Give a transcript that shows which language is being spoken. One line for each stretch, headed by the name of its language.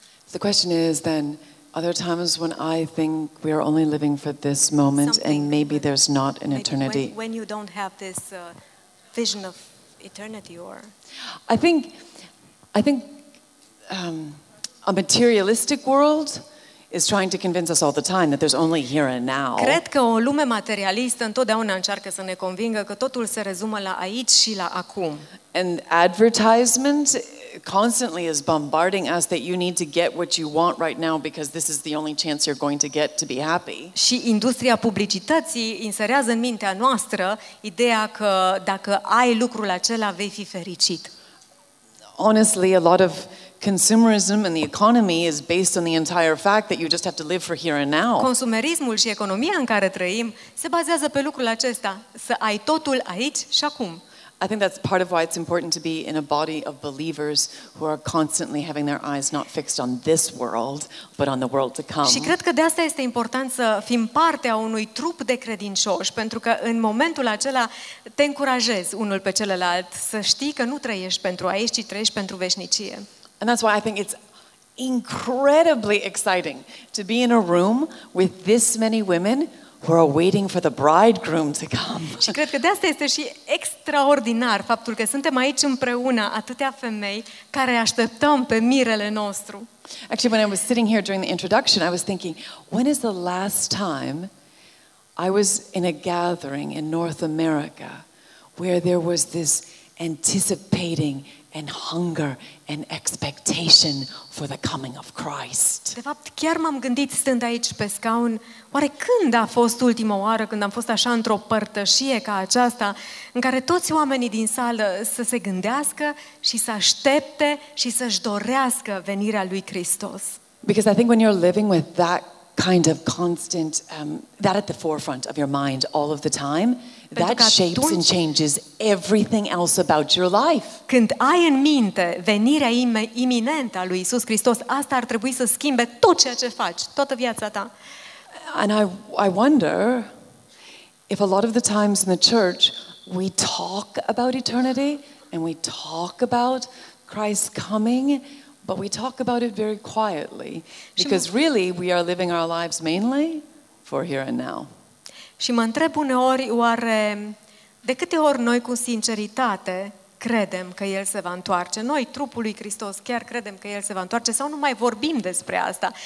English: The question is then, are there times when I think we are only living for this moment something, and maybe there's not an eternity? When you don't have this vision of eternity or? I think a materialistic world is trying to convince us all the time that there's only here and now.
Romanian: Cred că o lume materialistă întotdeauna încearcă să ne convingă că totul se rezumă la aici și la acum.
English: And advertisement constantly is bombarding us that you need to get what you want right now because this is the only chance you're going to get to be happy.
Romanian: Și industria publicității inserează în mintea noastră ideea că dacă ai lucrul acela vei fi fericit.
English: honestly, a lot of consumerism and the economy is based on the entire fact that you just have to live for here and now.
Romanian: Consumerismul și economia în care trăim se bazează pe lucrul acesta, să ai totul aici și acum.
English: I think that's part of why it's important to be in a body of believers who are constantly having their eyes not fixed on this world, but on the world to come.
Romanian: Și cred că de asta este important să fim parte a unui trup de credincioși, pentru că în momentul acela te încurajezi unul pe celălalt să știi că nu trăiești pentru aici, ci trăiești pentru veșnicie.
English: And that's why I think it's incredibly exciting to be in a room with this many women who are waiting for the bridegroom to come.
Romanian: Și cred că de asta este și extraordinar faptul că suntem aici împreună atâtea femei care așteptăm pe mirele nostru.
English: Actually, when I was sitting here during the introduction, I was thinking, when is the last time I was in a gathering in North America where there was this anticipating and hunger and expectation for the coming of Christ.
Romanian: De fapt, chiar m-am gândit stând aici pe scaun, oare când a fost ultima oară când am fost așa într-o părtășie ca aceasta, în care toți oamenii din sală să se gândească și să aștepte și să-și dorească venirea lui Hristos.
English: Because I think when you're living with that kind of constant, that at the forefront of your mind all of the time, that shapes and changes everything else about your life.
Romanian: Când ai în minte venirea iminentă a lui Iisus Hristos, asta ar trebui să schimbe tot ceea ce faci, toată viața ta.
English: And I wonder if a lot of the times in the church we talk about eternity and we talk about Christ's coming, but we talk about it very quietly, because really we are living our lives mainly for here and now.
Romanian: Și mă întreb uneori, oare de câte ori noi cu sinceritate credem că El se va întoarce? Noi, trupul lui Hristos, chiar credem că El se va întoarce sau nu mai vorbim despre asta?